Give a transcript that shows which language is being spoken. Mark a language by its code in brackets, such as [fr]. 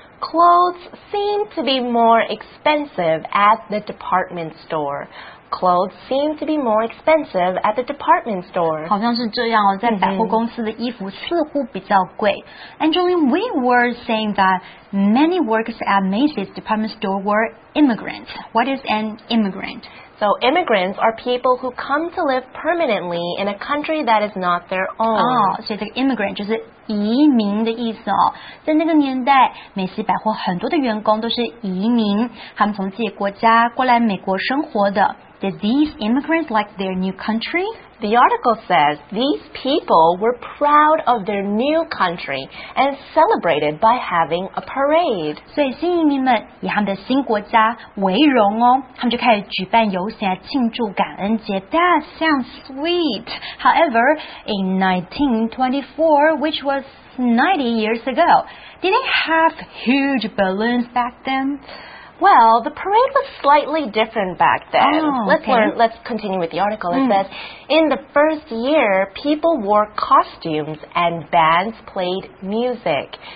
[en] Clothes seem to be more expensive at the department store. Clothes seem to be more expensive at the department store. [zh] 好像是这样哦，在百货公司的衣服似乎比较贵。 [en] Angeline, we were saying that many workers at Macy's department store were immigrants. What is an immigrant? So immigrants are people who come to live permanently in a country that is not their own. [zh] 哦，所以这个 immigrant 就是移民的意思哦。在那个年代，美西百货很多的员工都是移民，他们从自己国家过来美国生活的。 [en] Did these immigrants like their new country? The article says these people were proud of their new country and celebrated by having a parade. 所以新移民们以他们的新国家为荣哦，他们就开始举办游行来庆祝感恩节。 That sounds sweet. However, in 1924, which was 90 years ago, did they have huge balloons back then? Well, the parade was slightly different back then. Let's continue with the article. It says, in the first year, people wore costumes and bands played music.